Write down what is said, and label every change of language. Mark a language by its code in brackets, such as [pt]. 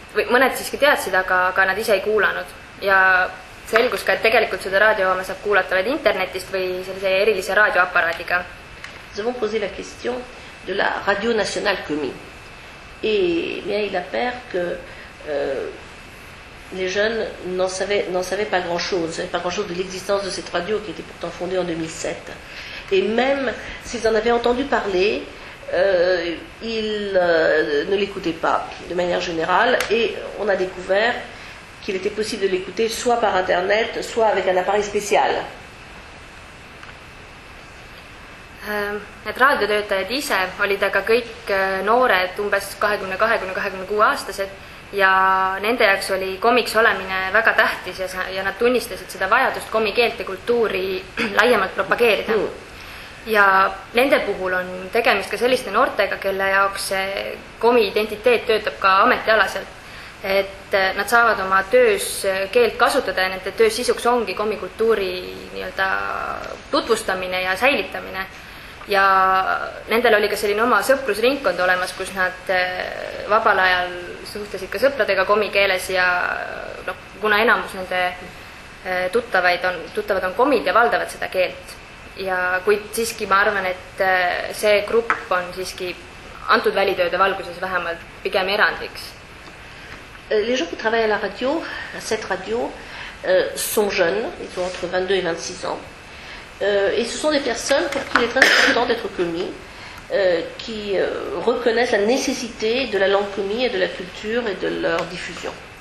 [et] Mõned siiski teadsid, aga nad ise ei kuulanud. Ja selgus ka, et tegelikult seda raadiohoome saab kuulata vaid internetist või sellise erilise raadioaparaadiga. [fr] Nous avons posé la question de la radio nationale commis. Et bien, il apparaît que les jeunes n'en savaient pas grand-chose, n'en savaient pas grand-chose de l'existence de cette radio qui était pourtant fondée en 2007. Et même s'ils en avaient entendu parler, ils ne l'écoutaient pas de manière générale. Et on a découvert qu'il était possible de l'écouter soit par Internet, soit avec un appareil spécial. [et] Et raadiotöötajad ise olid aga kõik noored, umbes 20-26-aastased ja nende jaoks oli komiks olemine väga tähtis ja nad tunnistasid seda vajadust komikeelte kultuuri laiemalt propageerida. Ja nende puhul on tegemist ka selliste noortega, kelle jaoks komi identiteet töötab ka ametialaselt, et nad saavad oma töös keelt kasutada ja nende töös sisuks ongi komikultuuri nii-öelda tutvustamine ja säilitamine. Ja nendel oli ka selline oma sõprusringkond olemas, kus nad vabal ajal suhtlesid ka sõpradega komikeeles ja no, kuna enamus nende tuttavad on komid ja valdavad seda keelt. Ja kuid siiski ma arvan, et see grupp on siiski antud välitööde valguses vähemalt pigem erandiks. [fr] Les gens qui travaillent à la radio, à cette radio, sont jeunes, ils ont entre 22 et 26 ans. Et ce sont des personnes pour qui il est très important d'être commis, qui reconnaissent la nécessité de la langue commis et de la culture et de leur diffusion.